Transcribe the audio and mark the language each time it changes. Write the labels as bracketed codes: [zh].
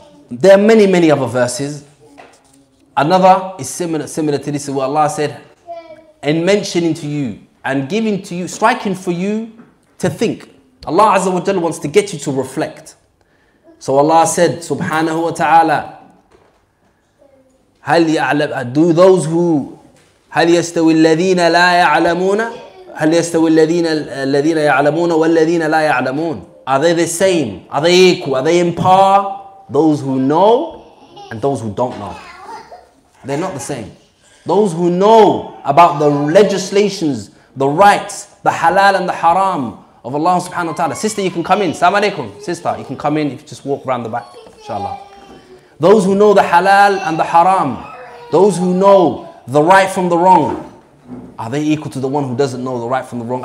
[en] There are many, many other verses. Another is similar to this, where Allah said, in mentioning to you, and giving to you, striking for you to think. Allah Azza wa Jalla wants to get you to reflect. So Allah said, [ar] Subhanahu wa ta'ala, هَلْ يَعْلَمُ [en] do those who, [ar] هَلْ يَسْتَوِي الَّذِينَ لَا يَعْلَمُونَ هَلْ يَسْتَوِي الَّذِينَ يَعْلَمُونَ وَالَّذِينَ لَا يَعْلَمُونَ [en] Are they the same? Are they equal? Are they in par? Those who know and those who don't know. They're not the same. Those who know about the legislations, the rights, the halal and the haram of Allah subhanahu wa ta'ala. Sister, you can come in. Assalamu alaikum. Sister, you can come in if you just walk around the back. Inshallah. Those who know the halal and the haram, those who know the right from the wrong, are they equal to the one who doesn't know the right from the wrong?